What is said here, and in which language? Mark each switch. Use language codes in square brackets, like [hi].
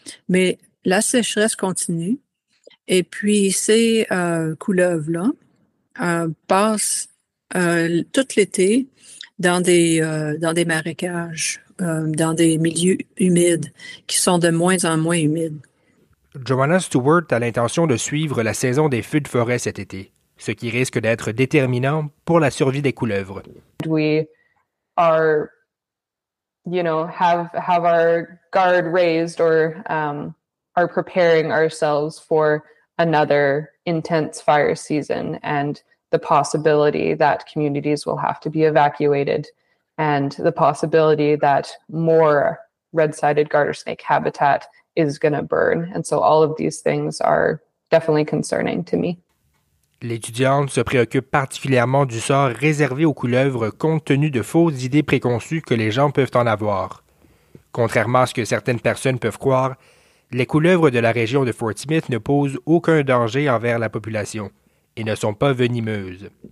[fr] Mais la sécheresse continue. Et puis, ces couleuvres-là passent tout l'été dans des marécages, dans des milieux humides qui sont de moins en moins humides. Joanna Stewart a l'intention de suivre la saison des feux de forêt cet été, ce qui risque d'être déterminant pour la survie des couleuvres. [en] We are, you know, have our guard raised or are preparing ourselves for another intense fire season and the possibility that communities will have to be evacuated and the possibility that more red-sided garter snake habitat is going to burn. And so all of these things are definitely concerning to me. [fr] L'étudiante se préoccupe particulièrement du sort réservé aux couleuvres compte tenu de fausses idées préconçues que les gens peuvent en avoir. Contrairement à ce que certaines personnes peuvent croire, les couleuvres de la région de Fort Smith ne posent aucun danger envers la population et ne sont pas venimeuses.